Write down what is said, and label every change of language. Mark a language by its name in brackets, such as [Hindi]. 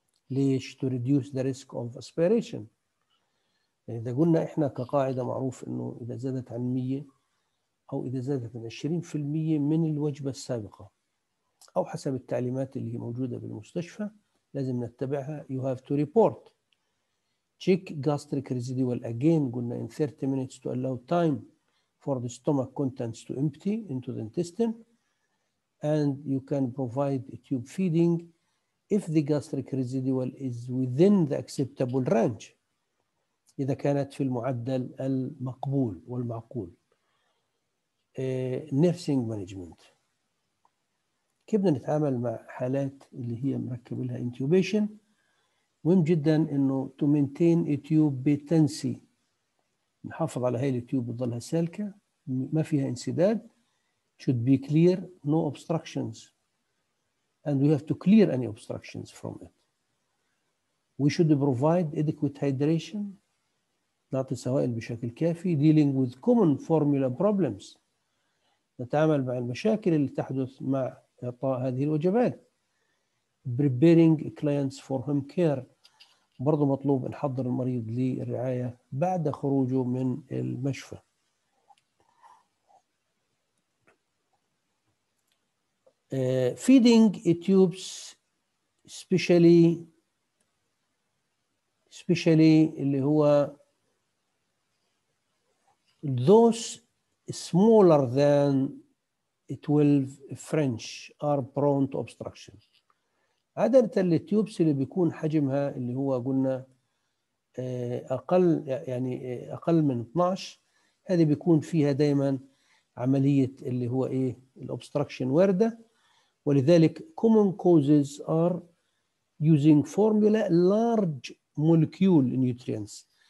[Arabic] ليش؟ [English] to reduce the risk of aspiration. [Arabic] يعني إذا قلنا إحنا كقاعدة معروف إنه إذا زادت عن 100 أو إذا زادت عن 20% من الوجبة السابقة أو حسب التعليمات اللي هي موجودة بالمستشفى لازم نتبعها. [English] You have to report. Check gastric residual again. [Arabic] قلنا [English] in 30 minutes to allow time for the stomach contents to empty into the intestine, and you can provide a tube feeding if the gastric residual is within the acceptable range. [Arabic] إذا كانت في المعدل المقبول والمعقول. [English] Nursing management. [Arabic] كيف بدنا نتعامل مع حالات اللي هي مركب لها intubation؟ مهم جدا إنه [English] to maintain a tube patency. [Arabic] نحافظ على هاي التيوب تظلها سالكة. ما فيها انسداد. [English] Should be clear, no obstructions, and we have to clear any obstructions from it. We should provide adequate hydration. [Arabic] نعطي سوائل بشكل كافي. [English] Dealing with common formula problems. [Arabic] نتعامل مع المشاكل اللي تحدث مع إعطاء هذه الوجبات. [English] Preparing clients for home care. [Arabic] برضو مطلوب نحضر المريض للرعاية بعد خروجه من المشفى. [English] Feeding tubes especially [Arabic] اللي هو [English] those smaller than 12 French are prone to obstruction. [Arabic] عادة التيوبس اللي بيكون حجمها اللي هو قلنا أقل يعني أقل من 12 هذه بيكون فيها دائما عملية اللي هو إيه الأوبستركشن واردة. [English] ولذلك common causes are using formula large molecule nutrients.